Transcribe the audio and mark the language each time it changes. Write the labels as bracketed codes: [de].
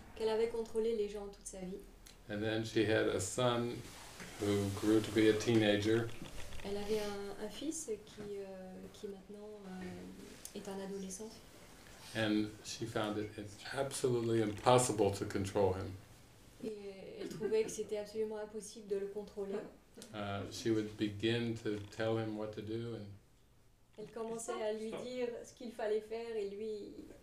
[fr] Qu'elle avait contrôlé les gens toute sa vie. [en] And then she had a son who grew to be a teenager. [fr] Elle avait un fils qui maintenant est un adolescent. [en] And she found it absolutely impossible to control him. [fr] Et elle trouvait que c'était absolument impossible de le contrôler. [en] She would begin to tell him what to do, and [fr] elle commençait à lui dire ce qu'il fallait faire, et lui